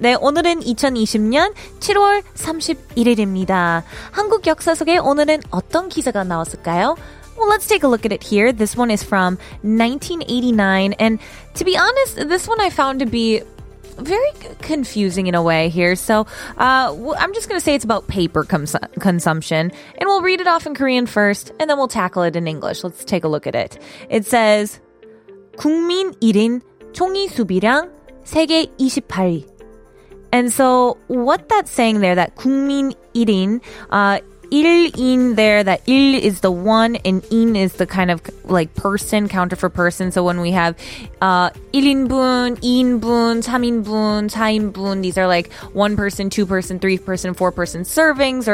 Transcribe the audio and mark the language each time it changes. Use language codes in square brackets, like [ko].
[ko] 네, 오늘은 2020년 7월 31일입니다. 한국 역사 속에 오늘은 어떤 기사가 나왔을까요? [en] Well, let's take a look at it here. This one is from 1989. And to be honest, this one I found to be very confusing in a way here. So I'm just going to say it's about paper consumption. And we'll read it off in Korean first, and then we'll tackle it in English. Let's take a look at it. It says, [ko] 국민 1인 총이 수비량 세계 28위. [en] And so what that's saying there, that [ko] 국민 1인, [en] 1인 there, that 1 is the 1 and 인 is the kind of like person, counter for person. So when we have 1인분, 2인분, 3인분, 4인분, these are like 1 person, 2 person, 3 person, 4 person servings.